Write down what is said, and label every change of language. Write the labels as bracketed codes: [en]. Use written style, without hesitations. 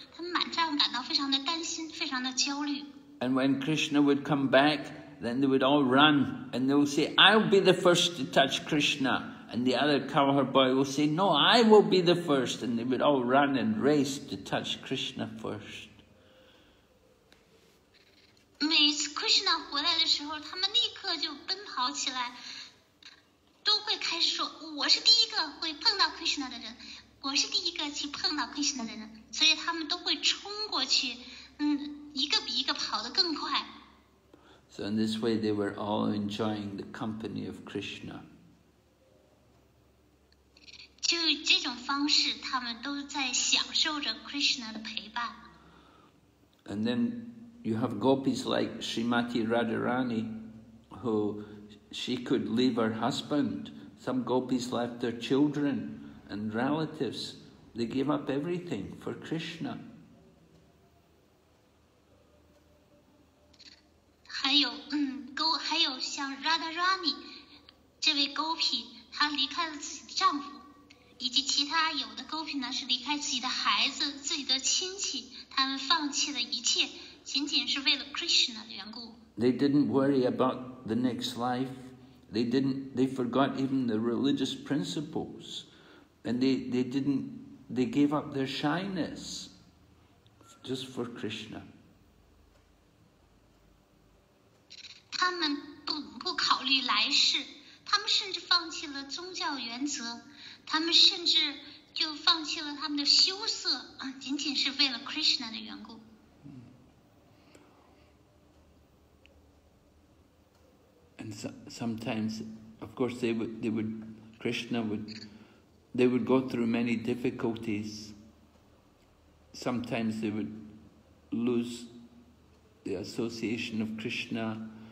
[zh] 他们满帐感到非常的担心，非常的焦虑。 [en] And when Krishna would come back, then they would all run and they would say, "I'll be the first to touch Krishna." And the other cowherd boy will say, "No, I will be the first." And they would all run and race to touch Krishna first. [zh] 每次 Krishna 回来的时候，他们立刻就奔跑起来，都会开始说：“我是第一个会碰到 Krishna 的人，我是第一个去碰到 Krishna 的人。” 所以他们都会冲过去，一个比一个跑得更快。 [en] So in this way, they were all enjoying the company of Krishna. [zh] 就这种方式，他们都在享受着 Krishna 的陪伴。 [en] And then. You have gopis like Srimati Radharani, who she could leave her husband. Some gopis left their children and relatives. They gave up everything for Krishna. [zh] 还有像 Radharani 这位 gopi， 她离开了自己的丈夫，以及其他有的 gopi 呢是离开自己的孩子、自己的亲戚，他们放弃了一切。仅仅是为了 Krishna 的缘故。 [en] They didn't worry about the next life. They forgot even the religious principles. And they gave up their shyness just for Krishna. [zh] 他们不考虑来世，他们甚至放弃了宗教原则，他们甚至就放弃了他们的羞涩，仅仅是为了 Krishna 的缘故。 [en] And sometimes, of course, they would go through many difficulties. Sometimes they would lose the association of Krishna,